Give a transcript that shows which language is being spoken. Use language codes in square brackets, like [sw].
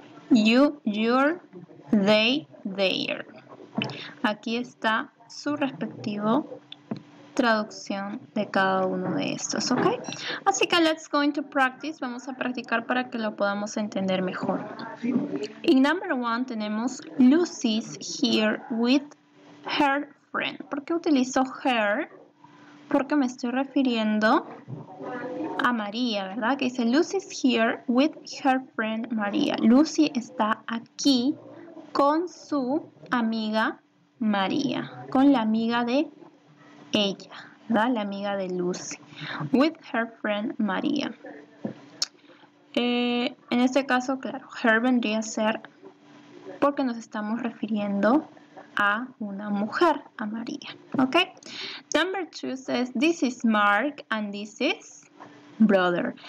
[en] You, your. They, their. [es] Aquí está su respectivo traducción de cada uno de estos, ¿ok? Así que [en] let's go into practice. [es] Vamos a practicar para que lo podamos entender mejor. [en] In number one [es] tenemos [en] Lucy's here with her friend. [es] ¿Por qué utilizo her? Porque me estoy refiriendo a María, ¿verdad? Que dice [en] Lucy's here with her friend María. [es] Lucy está aquí con su amiga María, con la amiga de ella, ¿verdad? La amiga de Lucy. [en] With her friend María. [es] En este caso, claro, her vendría a ser porque nos estamos refiriendo a una mujer, a María. ¿Ok? [en] Number two says, this is Mark and this is brother.